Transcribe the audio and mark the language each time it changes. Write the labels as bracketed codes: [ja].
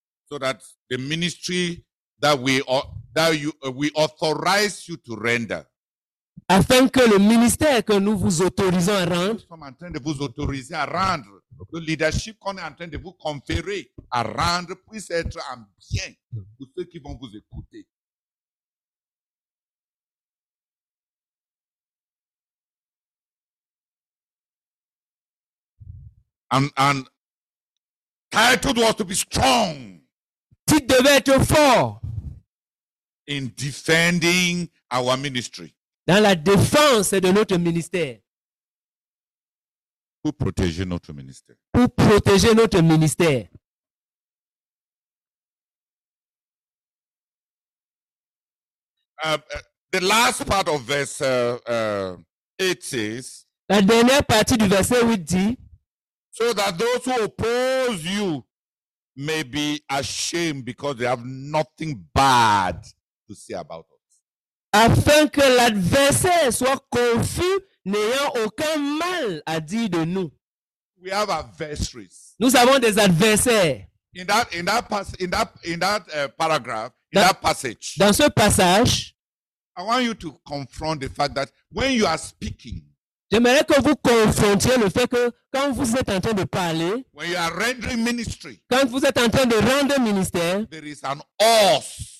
[en] So that the ministry that we authorize you to render. [fr] Afin que le ministère que nous vous autorisons à rendre. Nous sommes en train de vous autoriser à rendre. Le leadership qu'on est en train de vous conférer à rendre puisse être en bien pour ceux qui vont vous écouter. [en] And title was to be strong. [fr] Titre devait être fort. [en] In defending our ministry. [fr] Dans la défense de notre ministère. Pour protéger notre ministère. Pour protéger notre ministère. [en] The last part of verse 8 says. [fr] La dernière partie du verset 8 dit. [en] So that those who oppose you may be ashamed because they have nothing bad to say about us. [fr] Afin que l'adversaire soit confus, n'ayant aucun mal à dire de nous. [en] We have adversaries. [fr] Nous avons des adversaires. [en] In that passage. [fr] Dans ce passage. [en] I want you to confront the fact that when you are speaking. [fr] J'aimerais que vous confrontiez le fait que quand vous êtes en train de parler. [en] When you are rendering ministry. [fr] Quand vous êtes en train de rendre ministère. [en] There is an oath.